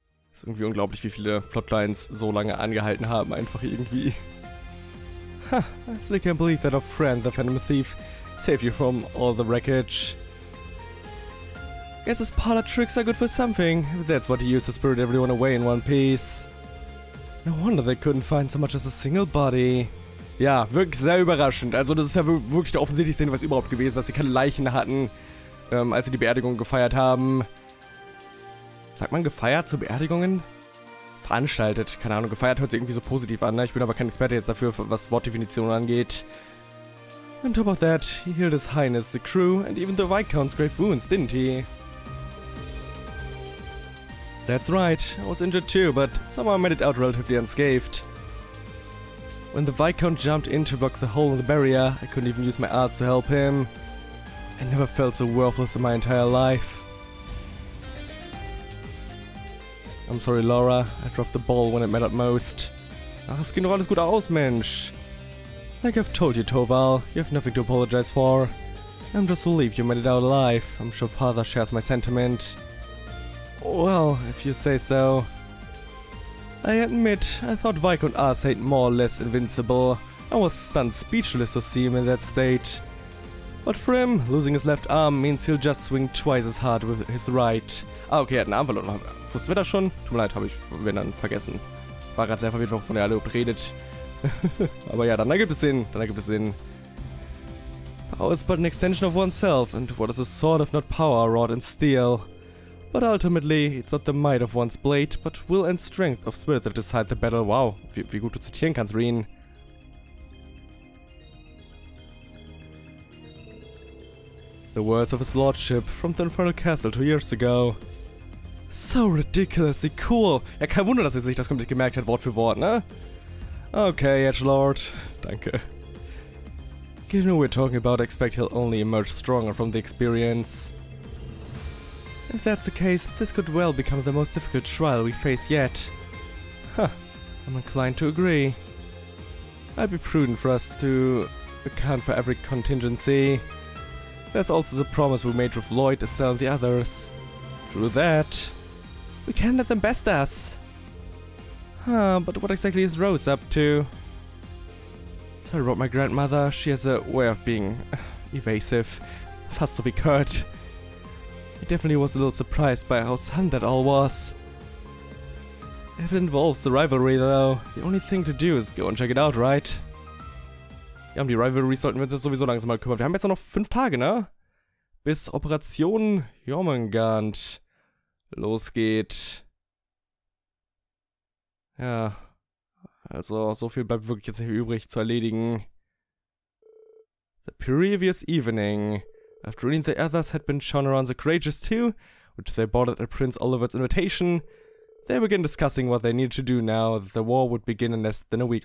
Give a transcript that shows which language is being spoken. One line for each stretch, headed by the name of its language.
German: Ist irgendwie unglaublich, wie viele Plotlines so lange angehalten haben, einfach irgendwie.
English: Ha, I still can't believe that our friend, the Phantom Thief, saved you from all the wreckage. Guess his parlor tricks are good for something. That's what he used to spirit everyone away in one piece. No wonder they couldn't find so much as a single body.
German: Ja, wirklich sehr überraschend. Also das ist ja wirklich der offensichtlichste Hinweis überhaupt gewesen, dass sie keine Leichen hatten, als sie die Beerdigung gefeiert haben. Sagt man gefeiert zu Beerdigungen? Veranstaltet, keine Ahnung, gefeiert hört sich irgendwie so positiv an, ne? Ich bin aber kein Experte jetzt dafür, was Wortdefinitionen angeht.
English: On top of that, he healed his highness, the crew, and even the Viscount's grave wounds, didn't he? That's right, I was injured too, but somehow made it out relatively unscathed. When the Viscount jumped in to block the hole in the barrier, I couldn't even use my arts to help him. I never felt so worthless in my entire life. I'm sorry, Laura. I dropped the ball when it mattered most.
German: Ach, es geht doch alles gut aus, Mensch.
English: Like I've told you, Toval, you have nothing to apologize for. I'm just relieved you made it out alive. I'm sure Father shares my sentiment. Well, if you say so. I admit, I thought Viscount Arceus more or less invincible. I was stunned speechless to see him in that state. But for him, losing his left arm means he'll just swing twice as hard with his right.
German: Ah, okay, er hat einen Arm verloren. Wussten wir das schon? Tut mir leid, habe ich wenn dann vergessen. War gerade sehr verwirrt, wovon ihr alle redet. Aber ja, dann ergibt es Sinn.
English: Power is but an extension of oneself, and what is a sword if not power, rod and steel? But ultimately, it's not the might of one's blade, but will and strength of spirit that decide the battle.
German: Wow, wie gut du zitieren kannst, Reen.
English: The words of his lordship from the Infernal Castle 2 years ago. So ridiculously cool.
German: Ja, kein Wunder, dass er sich das komplett gemerkt hat, Wort für Wort, ne? Okay, Edgelord. Danke.
English: Given what we're talking about, I expect he'll only emerge stronger from the experience. If that's the case, this could well become the most difficult trial we face yet. Huh. I'm inclined to agree. I'd be prudent for us to account for every contingency. That's also the promise we made with Lloyd, Estelle and the others. True that. We can't let them best us. Huh, but what exactly is Rose up to? Sorry about my grandmother, she has a way of being evasive. Fast to be curt. I definitely was a little surprised by how sudden that all was. If it involves the rivalry though, the only thing to do is go and check it out, right?
German: Ja, um die Rivalry sollten wir uns jetzt sowieso langsam mal kümmern. Wir haben jetzt noch 5 Tage, ne? Bis Operation Jormungand losgeht. Ja. Also, so viel bleibt wirklich jetzt nicht übrig zu erledigen.
English: The previous evening. After Rune and the others had been shown around the Courageous too, which they boarded at Prince Oliver's invitation, they began discussing what they needed to do now that the war would begin in less than a week.